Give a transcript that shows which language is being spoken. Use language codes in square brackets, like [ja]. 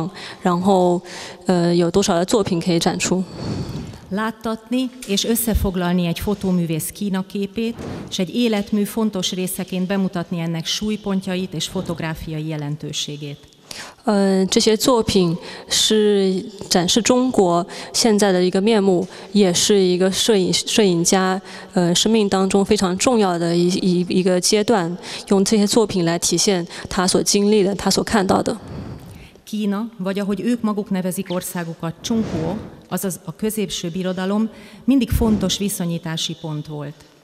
[zh] 这些可以作为这次摄影展的一个基础，虽然数字只是一个比较抽象的东西，但是还可以让我们看到有多少的这个工作在中国的话，他去了多少的地方，然后有多少的作品可以展出。 [hu] Láttatni és összefoglalni egy fotóművész kínaképét, és egy életmű fontos részeként bemutatni ennek súlypontjait és fotográfiai jelentőségét. [zh] 这些作品是展示中国现在的一个面目，也是一个摄影家生命当中非常重要的一个阶段。用这些作品来体现他所经历的、他所看到的。 [hu] Kína, vagy ahogy ők maguk nevezik országukat, Csunghuo, azaz a középső birodalom, mindig fontos viszonyítási pont volt.